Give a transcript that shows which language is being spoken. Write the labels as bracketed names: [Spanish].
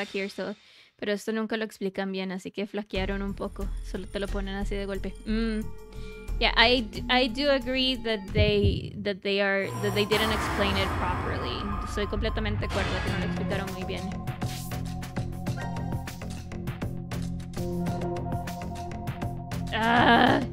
[Spanish] So, pero esto nunca lo explican bien, así que flaquearon un poco. Solo te lo ponen así de golpe. [English] I do agree that they didn't explain it properly. [Spanish] Soy completamente de acuerdo que no lo explicaron muy bien.